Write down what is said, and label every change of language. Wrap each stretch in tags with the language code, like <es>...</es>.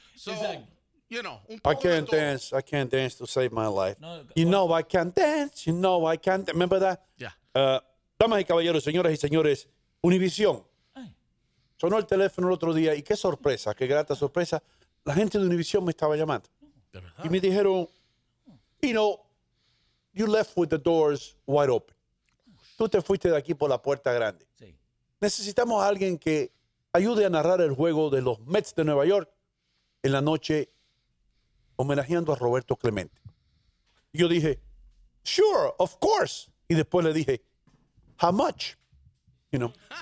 <en>So, you know,</en> <es>un poco de todo.</es> <en>I can't dance to save my life. You know I can't dance. Remember that? Yeah.</en> <es>Damas y caballeros, señoras y señores, Univision. Sonó el teléfono el otro día y qué grata sorpresa, la gente de Univision me estaba llamando. Y me dijeron,</es> <en>you know, you left with the doors wide open.</en> <es>Tú te fuiste de aquí por la puerta grande. Sí. Necesitamos a alguien que ayude a narrar el juego de los Mets de Nueva York en la noche homenajeando a Roberto Clemente. Yo dije,</es> <en>sure, of course.</en> <es>Y después le dije,</es> <en>how much? You know.</en>